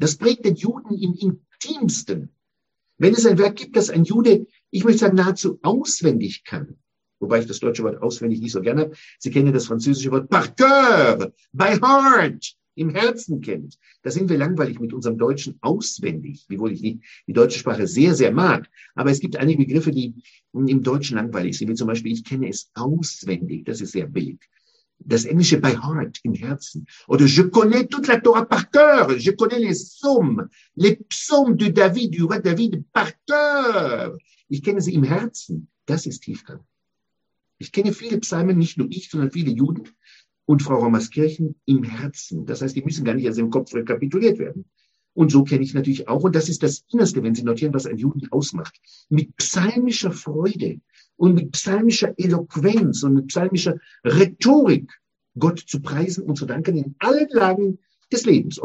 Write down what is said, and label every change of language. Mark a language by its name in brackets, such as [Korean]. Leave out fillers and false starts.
[German] Das prägt den Juden im Intimsten. Wenn es ein Werk gibt, das ein Jude, ich möchte sagen, nahezu auswendig kann, wobei ich das deutsche Wort auswendig nicht so gerne habe, Sie kennen das französische Wort [French] par cœur, [English] by heart, [German] im Herzen kennt. Da sind wir langweilig mit unserem Deutschen auswendig, wiewohl ich nicht die deutsche Sprache sehr, sehr mag. Aber es gibt einige Begriffe, die im Deutschen langweilig sind, wie zum Beispiel, ich kenne es auswendig, das ist sehr billig. Das Englische [English] by heart, [German] im Herzen. [French] Oder je connais toute la Torah par cœur. Je connais les psaumes de David, du roi David, par cœur. [German] Ich kenne sie im Herzen. Das ist Tiefgang. Ich kenne viele Psalmen, nicht nur ich, sondern viele Juden und Frau Rommerskirchen im Herzen. Das heißt, die müssen gar nicht erst im Kopf rekapituliert werden. Und so kenne ich natürlich auch, und das ist das Innerste, wenn Sie notieren, was ein Juden ausmacht. Mit psalmischer Freude und mit psalmischer Eloquenz und mit psalmischer Rhetorik Gott zu preisen und zu danken in allen Lagen des Lebens.